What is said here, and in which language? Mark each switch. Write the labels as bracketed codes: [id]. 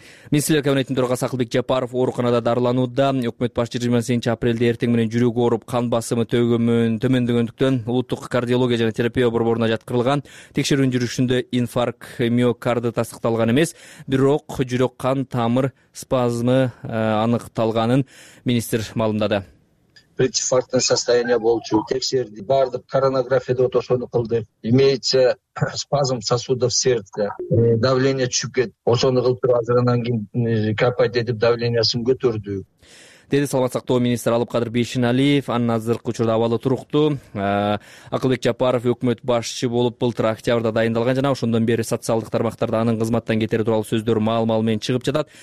[ky] Министрлер кабинетинин төрагасы Акылбек Жапаров ооруканада дарыланууда. Өкмөт башчысы 28 апрелде эртең менен жүрөгү ооруп, кан басымы төмөндөгөндүктөн улуттук кардиология жана терапия борборуна жаткырылган. Текшерүүнүн жүрүшүндө инфаркт миокарды тастыкталган эмес, бирок жүрөк кан тамыр спазмы аныкталганын министр маалымдады. [ru] Предфарктное состояние [ky] болчу, тексерди, барды, коронографияда ошону кылды. [ru] Имеется спазм сосудов сердца, давление [ky] түшүп кетти. Ошону кылып туруп, азырынан кийин капай деп давлениясын көтөрдү. Деди саламат сактоо министри Алыпкадыр Бейшиналиев. Анын азыркы учурда абалы туруктуу. Акылбек Жапаров өкмөт башчы болуп былтыр октябрда дайындалган жана ошондон бери социалдык тармактарда анын кызматтан кетери тууралуу сөздөр маал-маал менен чыгып жатат.